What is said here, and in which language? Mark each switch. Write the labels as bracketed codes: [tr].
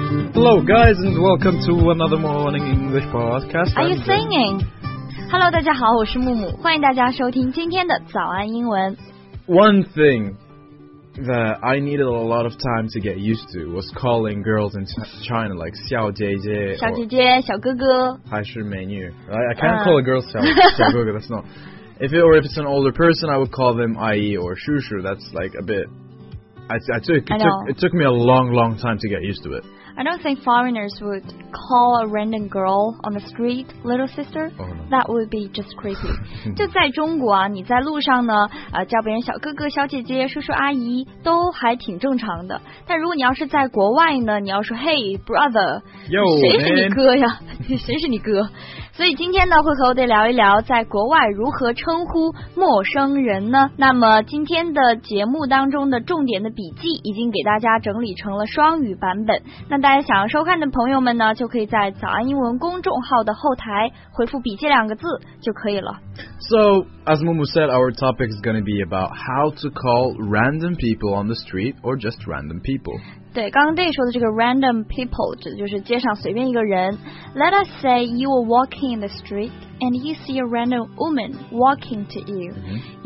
[en] Hello, guys, and welcome to another Morning English podcast. Are you singing? [zh] Hello, 大家好，我是木木，欢迎大家收听今天的早安英文。 [en] One thing that I needed a lot of time to get used to was calling girls in China like 小姐姐、 [zh] 小姐姐、小哥哥，还是美女。 [en] I can't call a girl 小哥哥。That's not. If it's an older person, I would call them 阿姨 or 叔叔. That's like a bit. It took me a long time to get used to it. I don't think foreigners would call a random girl on the street little sister.、 Oh, no. That would be just creepy. [zh] 就在中国啊，你在路上呢，叫别人小哥哥、小姐姐、叔叔阿姨都还挺正常的。但如果你要是在国外呢，你要说 [en] Hey brother, Yo, [zh] 谁是你哥呀？谁是你哥？所以今天呢，会和我得聊一聊在国外如何称呼陌生人呢？那么今天的节目当中的重点的笔记已经给大家整理成了双语版本。那大家想要收看的朋友们呢，就可以在早安英文公众号的后台回复笔记两个字就可以了。 [en] So, as Mumu said, our topic is going to be about how to call random people on the street or just random people. [zh] 对，刚刚 Day 说的这个 random people 指的就是街上随便一个人。 [en] Let us say you are walking in the street and you see a random woman walking to you.、Mm-hmm.